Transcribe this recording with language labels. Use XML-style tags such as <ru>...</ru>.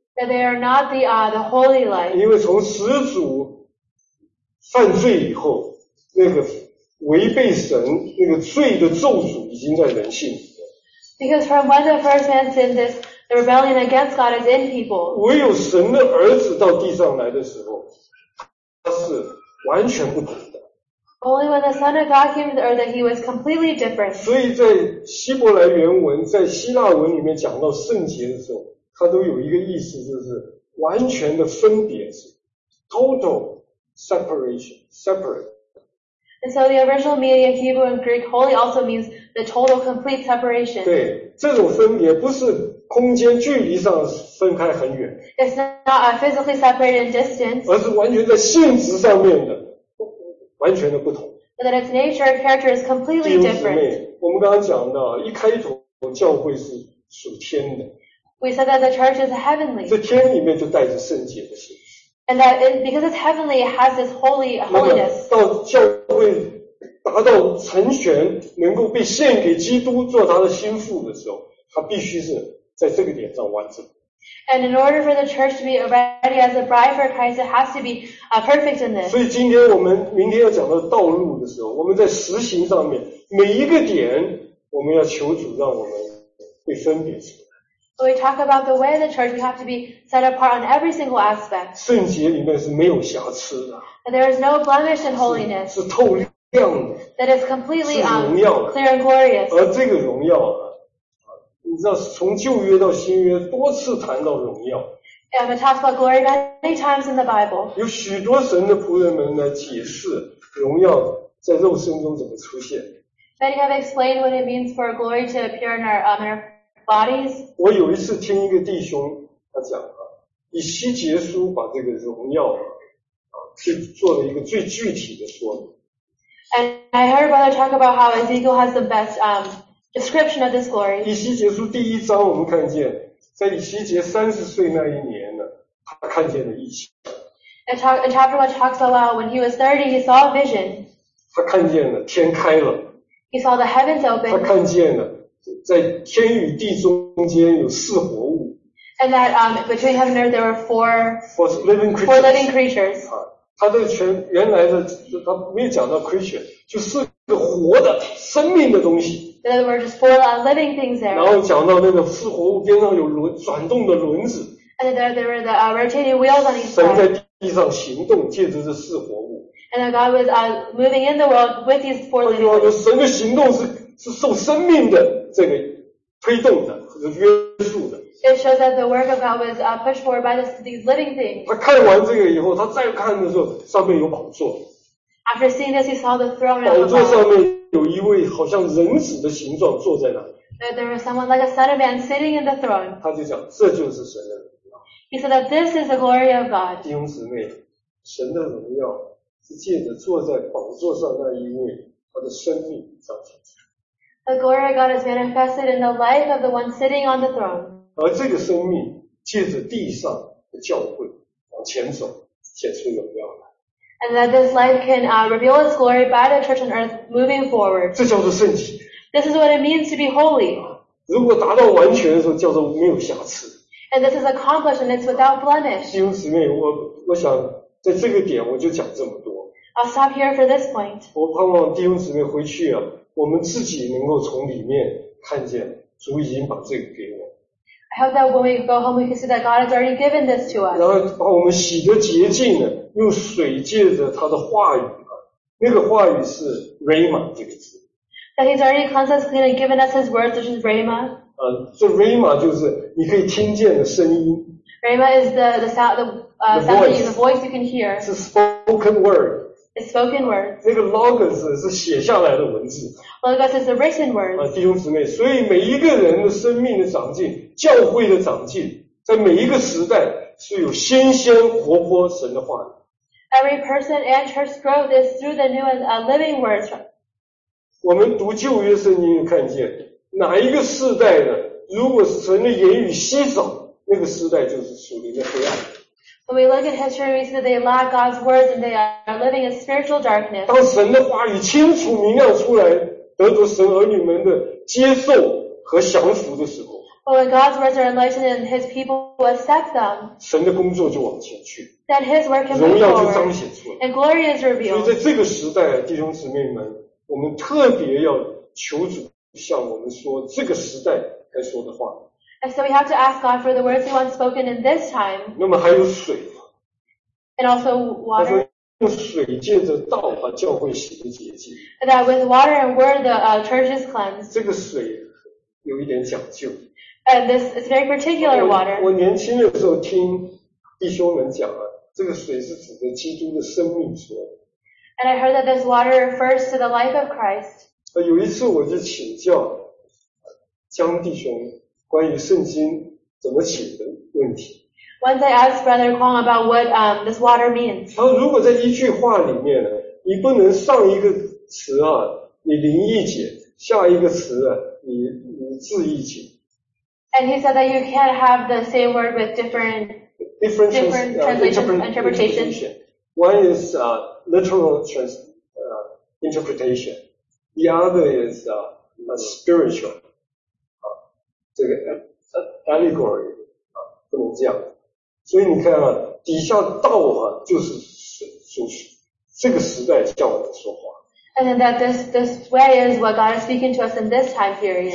<en>That they are not the holy life.</en> <zh>因为从始祖犯罪以后，那个违背神那个罪的咒诅已经在人性里面。</zh> <en>Because from when the first man sinned, the rebellion against God is in people.</en> <zh>唯有神的儿子到地上来的时候，他是完全不同的。</zh> <en>Only when the Son of God came to the earth that he was completely different.</en> <zh>所以在希伯来原文在希腊文里面讲到圣洁的时候，它都有一个意思，就是完全的分别，是</zh> <en>total separation, separate. And so the original meaning of Hebrew and Greek holy also means the total complete separation.</en> <zh>对，这种分别不是空间距离上分开很远。</zh> <en>It's not a physically separated distance.</en> <zh>而是完全在性质上面的完全的不同。</zh> <en>But that its nature and character is completely different.</en> <zh>弟兄姊妹，我们刚刚讲到一开头教会是属天的。</zh> <en>We said that the church is heavenly.</en> <zh>这天里面就带着圣洁的心。</zh> <en>And that it, because it's heavenly, it has this holiness.</en> <zh>到教会达到成全，能够被献给基督做他的心腹的时候，他必须是在这个点上完成。</zh> <en>And in order for the church to be ready as a bride for Christ, it has to be perfect in this.</en> <zh>所以今天我们明天要讲到道路的时候，我们在实行上面每一个点，我们要求主让我们被分别出来。</zh> <en>So we talk about the way of the church, we have to be set apart on every single aspect.</en> <zh>圣洁里面是没有瑕疵的。</zh> <en>And there is no blemish in holiness.</en> <zh>是透亮的。</zh> <en>That is completely clear and glorious.</en> <zh>而这个荣耀啊，你知道从旧约到新约多次谈到荣耀。</zh> <en>And it talks about glory many times in the Bible.</en> <zh>有许多神的仆人们来解释荣耀在肉身中怎么出现。</zh> <en>Many have explained what it means for glory to appear in our honor.</en> <zh>我有一次听一个弟兄他讲啊，以西结书把这个荣耀啊，去做了一个最具体的说明。</zh> <en>And I heard brother talk about how Ezekiel has the best description of this glory.</en> <zh>以西结书第一章我们看见，在以西结30岁那一年呢，他看见了异象。</zh> <en>And chapter one talks about when he was 30, he saw a vision.</en> <zh>他看见了天开了。</zh> <en>He saw the heavens open.</en> <zh>他看见了。在天与地中间有四活物。</zh> <en>And that between heaven and earth there were four living creatures.</en> <zh>他的全原来的他没有讲到 creature, 就四个活的生命的东西。</zh> <en>In other words, just four living things there.</en> <zh>然后讲到那个四活物边上有轮转动的轮子。</zh> <en>And there were the rotating wheels on each side.</en> <zh>神在地上行动借着这四活物。</zh> <en>And that God was moving in the world with these four living creatures.</en> <zh>换句话说，神的行动是受生命的这个推动的，是约束的。</zh> <en>It shows that the work of God was pushed forward by these living things.</en> <zh>他看完这个以后，他再看的时候，上面有宝座。</zh> <en>After seeing this, he saw the throne.</en> <zh>宝座上面有一位好像人子的形状坐在那里。</zh> <en>There was someone like a son of man sitting in the throne.</en> <zh>他就讲，这就是神的荣耀。</zh> <en>He said that this is the glory of God.</en> <zh>弟兄姊妹，神的荣耀是借着坐在宝座上那一位他的生命彰显出来。</zh> <en>The glory of God is manifested in the life of the one sitting on the throne.</en> <zh>而这个生命借着地上的教会往前走，显出荣耀来。</zh> <en>And that this life can reveal its glory by the church on earth moving forward.</en> <zh>这叫做圣洁。</zh> <en>This is what it means to be holy.</en> <zh>如果达到完全的时候，叫做没有瑕疵。</zh> <en>And this is accomplished and it's without blemish.</en> <zh>弟兄姊妹，我想在这个点我就讲这么多。</zh> <en>I'll stop here for this point.</en> <zh>我盼望弟兄姊妹回去啊，我们自己能够从里面看见主已经把这个给我。</zh> <en>I hope that when we go home, we can see that God has already given this to us.</en> <zh>然后把我们洗得洁净了，用水借着他的话语啊，那个话语是 rhema 这个字。</zh> <en>That He's already cleansed us clean and given us His words, which is rhema.</en> <zh>这 rhema 就是你可以听见的声音。</zh> <en>Rhema is the sound, the voice, the voice you can hear. 是 spoken word. It's spoken word.</en> <zh>那个 logos 是写下来的文字。</zh> <en>Logos is the written word.</en> <zh>弟兄姊妹，所以每一个人的生命的长进。教会的长进，在每一个时代是有新鲜活泼神的话语。</zh> <en>Every person and church growth is through the new and living words.</en> <zh>我们读旧约圣经，看见哪一个世代的，如果神的言语稀少，那个时代就是属灵的黑暗。</zh> <en>When we look at history, we see that they lack God's words and they are living in spiritual darkness.</en> <zh>当神的话语清楚明亮出来，得着神儿女们的接受和降服的时候。</zh> <en>When God's words are enlightened and His people accept them,</en> <zh>神的工作就往前去，</zh> <en>then His work can move forward,</en> <zh>荣耀就彰显出来，</zh> <en>and glory is revealed.</en> <zh>所以在这个时代，弟兄姊妹们，我们特别要求主向我们说这个时代该说的话。</zh> <en>And so we have to ask God for the words He wants spoken in this time.</en> <zh>那么还有水吗？</zh> <en>And also water.</en> <zh>他说用水借着道把教会洗得洁净。</zh> <en>That with water and word the church is cleansed.</en> <zh>这个水有一点讲究。</zh> <en>And this is very particular water.</en> <zh>我年轻的时候听弟兄们讲啊，这个水是指着基督的生命说。</zh> <en>And I heard that this water refers to the life of Christ.</en> <zh>有一次我就请教江弟兄关于圣经怎么写的问题。</zh> <en>Once I asked Brother Kwong about what this water means.</en> <zh>他说如果在一句话里面呢，你不能上一个词啊，你灵意解，下一个词啊，你字意解。</zh> <en>And he said that you can't have the same word with different translations, interpretations. One is literal interpretation. The other is spiritual.</en> <zh>这个 allegory, 不能这样。所以你看啊，底下道啊，就是属这个时代向我们说话。</zh> <en>And that this way is what God is speaking to us in this time period.</en>